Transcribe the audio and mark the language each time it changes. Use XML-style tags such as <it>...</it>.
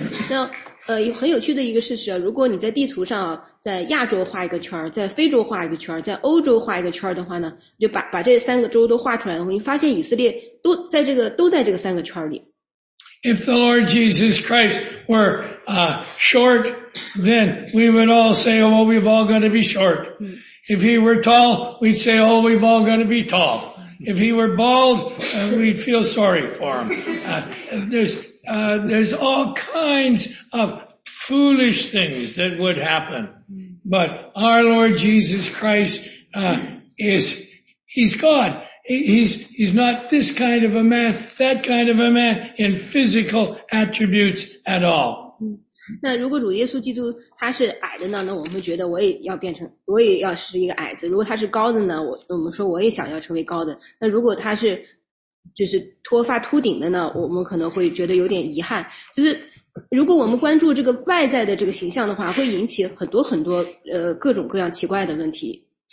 <zh>那很有趣的一个事实啊，如果你在地图上在亚洲画一个圈，在非洲画一个圈，在欧洲画一个圈的话呢，就把这三个州都画出来的话，你发现以色列都在这个三个圈里。</zh> <en>If the Lord Jesus Christ were short, then we would all say, oh, well, we've all got to be short. If he were tall, we'd say, oh, we've all got to be tall. If he were bald, we'd feel sorry for him. There's all kinds of foolish things that would happen. But our Lord Jesus Christ, he's God. He's not this kind of a man, that kind of a man in physical attributes at all.</en> <zh>那如果主耶稣基督他是矮的呢，那我们觉得我也要是一个矮子，如果他是高的呢，我们说我也想要成为高的，那如果他是就是脱发秃顶的呢，我们可能会觉得有点遗憾，就是如果我们关注这个外在的这个形象的话，会引起很多很多各种各样奇怪的问题。</zh>